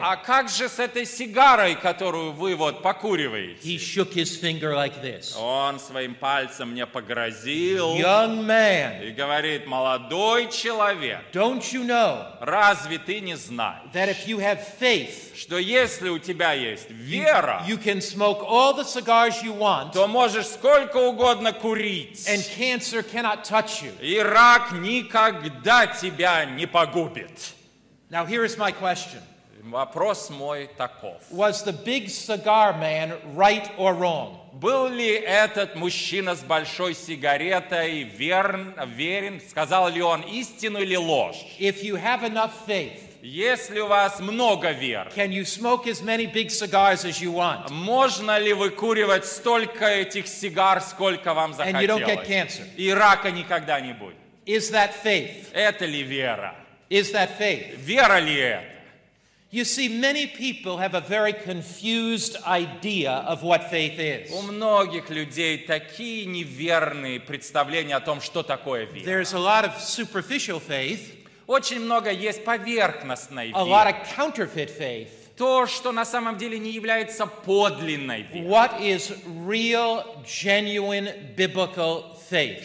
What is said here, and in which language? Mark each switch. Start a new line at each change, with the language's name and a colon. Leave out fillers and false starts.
Russian: А как же с этой сигарой, которую вы вот покуриваете?
English: He shook his finger like this.
Russian: Он своим пальцем мне погрозил.
English: Young man.
Russian: И говорит: молодой человек.
English: Don't you know?
Russian: Разве ты не знаешь?
English: That if you have faith.
Russian: Что если у тебя есть вера.
English: You can smoke all the cigars you want.
Russian: То можешь сколько угодно курить.
English: And cancer cannot touch you.
Russian: И рак никогда тебя не погубит.
English: Now here is my question.
Russian: Вопрос мой таков.
English: Was the big cigar man right or wrong?
Russian: Был ли этот мужчина с большой сигаретой верен, сказал ли он истину или ложь?
English: If you have enough faith,
Russian: если у вас много веры,
English: can you smoke as many big cigars as you want?
Russian: Можно ли выкуривать столько этих сигар, сколько вам захотелось?
English: And you don't get cancer.
Russian: И рака никогда не будет.
English: Is that faith?
Russian: Это ли вера?
English: Is that faith?
Russian: Вера ли это?
English: You see, many people have a very confused idea of what faith is.
Russian: У многих людей такие неверные представления о том, что такое вера.
English: There's a lot of superficial faith.
Russian: Очень много есть поверхностной веры.
English: A lot of counterfeit faith.
Russian: То, что на самом деле не является подлинной верой.
English: What is real, genuine biblical faith?